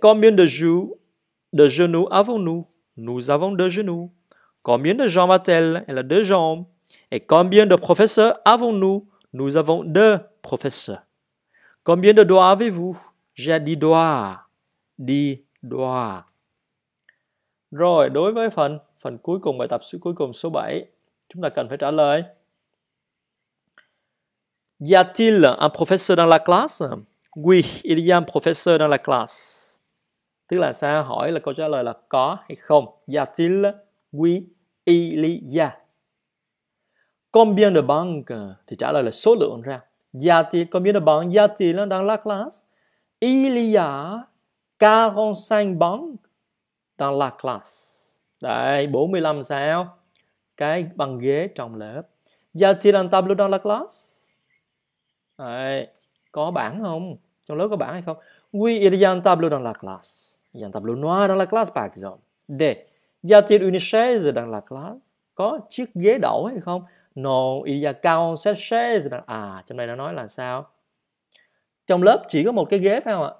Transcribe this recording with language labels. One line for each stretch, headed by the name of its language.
French: Combien de genoux avons-nous? Nous avons deux genoux. Combien de jambes a-t-elle? Elle a deux jambes. Et combien de professeurs avons-nous? Nous avons deux professeurs. Combien de doigts avez-vous? J'ai 10 doigts. 10 doigts.
Vietnamese: Rồi, đối với phần cuối cùng, bài tập cuối cùng số 7, chúng ta cần phải trả lời.
French: Y a-t-il un professeur dans la classe? Oui, il y a un professeur dans la classe.
Vietnamese: Tức là sao? Hỏi là câu trả lời là có hay không?
French: Y a-t-il? Oui, il y a. Combien de banques?
Vietnamese: Thì trả lời là số lượng ra.
French: Y a-t-il combien de banques? Y a-t-il dans la classe? Il y a 45 banques dans la classe.
Vietnamese: Đấy, 45 sao? Cái bàn ghế trong lớp.
French: Y a-t-il un tableau dans la classe?
Vietnamese: Đấy, có bảng không? Trong lớp có bảng hay không?
French: Oui, il y a un tableau dans la classe. Il y a un tableau noir dans la classe, par exemple. D. Y a-t-il une chaise dans la classe?
Vietnamese: Có chiếc ghế đậu hay không?
French: No, il y a 47 chaises.
Vietnamese: À, trong này nó nói là sao? Trong lớp chỉ có một cái ghế phải không ạ?